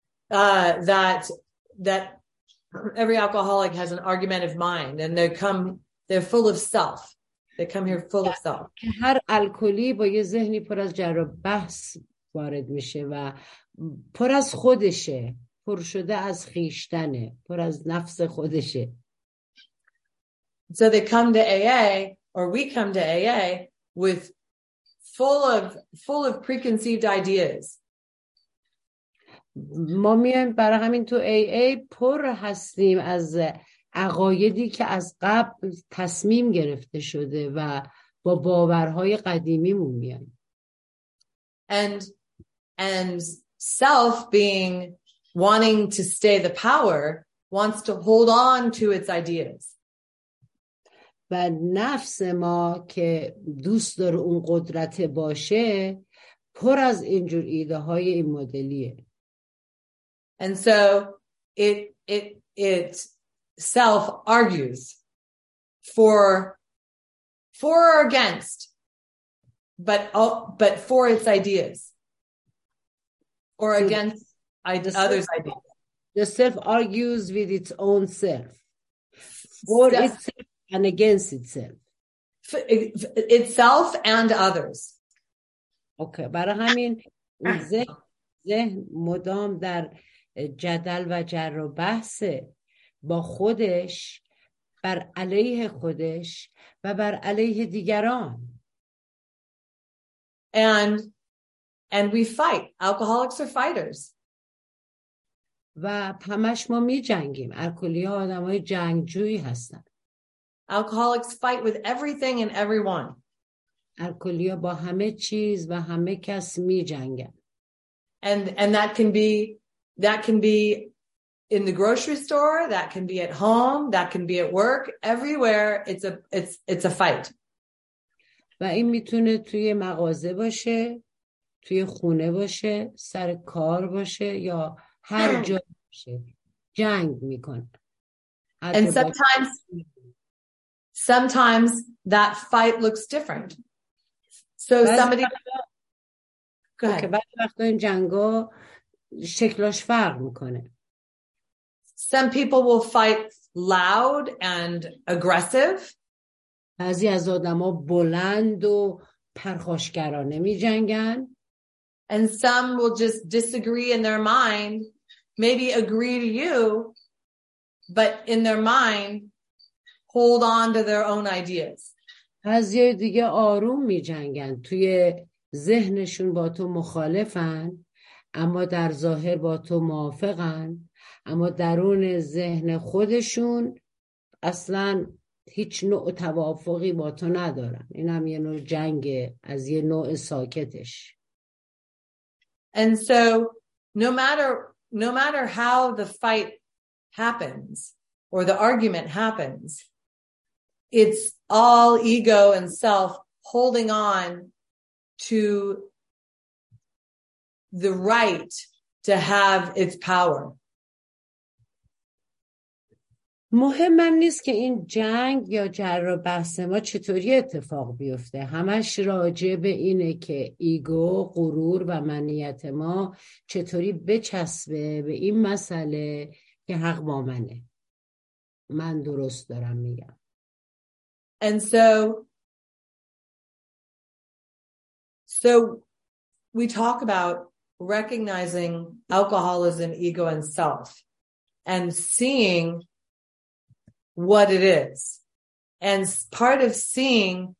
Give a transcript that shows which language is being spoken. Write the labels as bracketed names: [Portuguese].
[English] That every alcoholic has an argument of mind, and they're full of self. They come here full of self. [Persian] هر الکلی با یه ذهنی پر از جر و بحث وارد میشه و پر از خودشه، پر شده از خیشتنه، پر از نفس خودشه. [English] So they come to AA, or we come to AA with full of preconceived ideas. [Persian] ما میایم برای همین تو AA پر هستیم از عقایدی که از قبل تصمیم گرفته شده و با باورهای قدیمیمون میایم. [English] And self being wanting to stay the power wants to hold on to its ideas. [Persian] و نفس ما که دوست داره اون قدرت باشه پر از اینجور ایده های این مدلیه. [English] And so it self argues for or against, but for its ideas or so against others' ideas. The self argues with its own self for itself and against itself. Itself and others. Okay. [Persian] برای همین ذهن مدام در جدل و جر و بحث با خودش، بر علیه خودش و بر علیه دیگران. [English] And we fight. Alcoholics are fighters. [Persian] و همش ما می جنگیم. الکلی ها آدم های جنگجویی هستن. [English] Alcoholics fight with everything and everyone. [Persian] الکلی ها با همه چیز و همه کس می جنگن. [English] And that can be in the grocery store, that can be at home, that can be at work, everywhere it's a fight. [Persian] و این میتونه توی مغازه باشه، توی خونه باشه، سر کار باشه یا هر جا باشه. جنگ میکنه. [English] And sometimes that fight looks different. So somebody [Persian] بعضی وقتا این جنگا شکلاش فرق میکنه. [English] Some people will fight loud and aggressive. [Persian] بعضی از آدما بلند و پرخاشگرانه میجنگن. [English] And some will just disagree in their mind, maybe agree to you, but in their mind hold on to their own ideas. [Persian] بعضی دیگه آروم میجنگن، توی ذهنشون با تو مخالفن اما در ظاهر با تو موافقن، اما درون ذهن خودشون اصلا هیچ نوع توافقی با تو ندارن. این هم یه نوع جنگ از یه نوع ساکتش. [English] And so no matter how the fight happens or the argument happens, it's all ego and self holding on to the right to have its power. [Persian] مهم هم نیست که این جنگ یا جر رو بحث ما چطوری اتفاق بیفته. همش راجع به اینه که ایگو، غرور و منیت ما چطوری بچسبه به این مسئله که حق با منه. من درست دارم میگم. [English] And so we talk about recognizing alcoholism, ego and self and seeing what it is, and part of seeing